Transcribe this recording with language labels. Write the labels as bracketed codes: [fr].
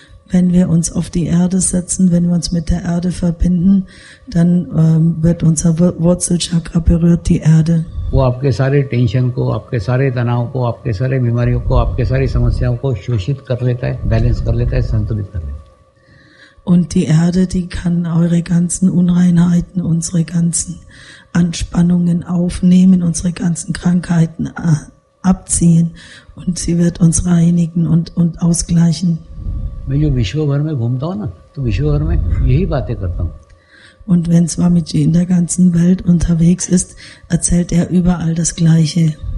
[de] Wenn wir uns auf die Erde setzen, wenn wir uns mit der Erde verbinden, dann wird unser Wurzelchakra berührt die Erde. [hi] वो आपके सारे tension को, आपके सारे तनाव को, आपके सारे बीमारियों को, आपके सारी समस्याओं को शोषित कर लेता है, बैलेंस कर लेता है, संतुलित कर लेता है। [de] Und die Erde, die kann eure ganzen Unreinheiten, unsere ganzen Anspannungen aufnehmen, unsere ganzen Krankheiten abziehen und sie wird uns reinigen und ausgleichen. [hi] मैं जो विश्व भर में घूमता हूँ ना, तो विश्व भर में यही बातें करता हूँ। [de] Und wenn Swamiji in der ganzen Welt unterwegs ist, erzählt er überall das Gleiche.